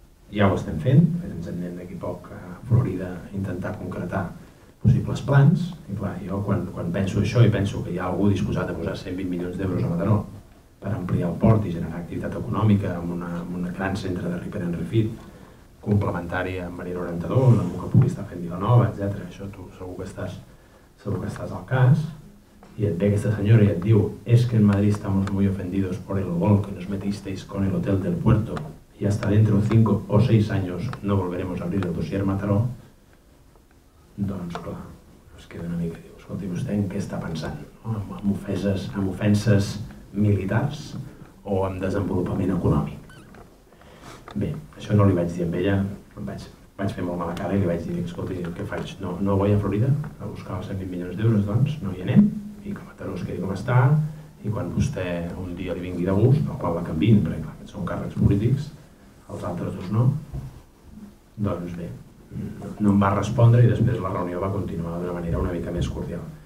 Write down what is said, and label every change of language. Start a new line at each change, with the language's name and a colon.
Catalan: Ja ho estem fent, ens anem d'aquí a poc a Florida a intentar concretar possibles plans, i clar, jo quan penso això i penso que hi ha algú disposat a posar 120 milions d'euros a Mataró per ampliar el port i generar activitat econòmica amb un gran centre de Ripper and Refit, complementari amb Maria 92, amb el que pugui estar fent Vilanova, etc. Això tu segur que estàs al cas,
Spanish: y ve que esta señora y le digo, es que en Madrid estamos muy ofendidos por el gol que nos metisteis con el hotel del puerto y hasta dentro de 5 o 6 años no volveremos a abrir el dossier Mataró,
Catalan: doncs, clar, es queda una mica, diu, escolti, vostè en què està pensant? Amb ofenses militars o amb desenvolupament econòmic? Bé, això no li vaig dir a ella, vaig fer molt mala cara i li vaig dir, escolti, què faig? No vull a Florida a buscar els 120 milions d'euros, doncs, no hi anem, i que Mataró es quedi com està, i quan vostè un dia li vingui de gust, no la canviïn, perquè clar, són càrrecs polítics, els altres dos no, doncs bé, no em va respondre i després la reunió va continuar d'una manera una mica més cordial.